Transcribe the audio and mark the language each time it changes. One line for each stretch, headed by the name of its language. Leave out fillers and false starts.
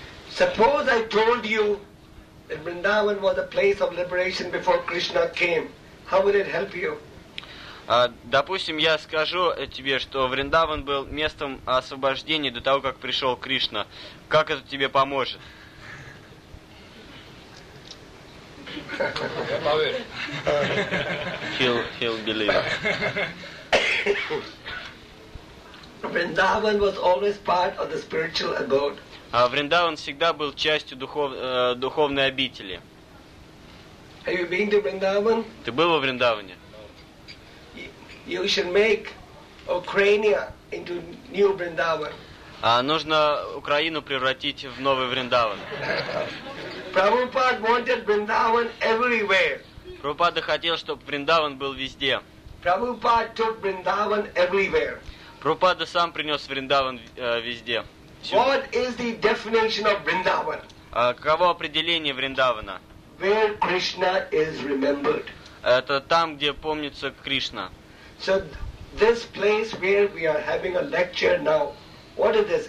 English: Suppose I told you that Vrindavan was a place of liberation before Krishna came. How would it help you?
Russian: Допустим, я скажу тебе, что Вриндаван был местом освобождения до того, как пришел Кришна. Как это тебе поможет? Я поверю.
English: He'll believe. Vrindavan was always part of the spiritual abode.
Russian: А Вриндаван всегда был частью духовной обители.
English: Have you been to Vrindavan?
Russian: Ты был во Вриндаване?
English: You should make Ukraine into new Vrindavan.
Russian: А нужно Украину превратить в новый Вриндаван.
English: Prabhupada wanted Vrindavan everywhere.
Russian: Прабхупада хотел, чтобы Вриндаван был везде.
English: Prabhupada took Vrindavan everywhere.
Russian: Прабхупада сам принес Вриндаван везде.
English: What is the definition of Vrindavan?
Russian: Каково определение Вриндавана?
English: Where Krishna is remembered.
Russian: Это там, где помнится Кришна.
English: So this place where we are having a lecture now, what is this?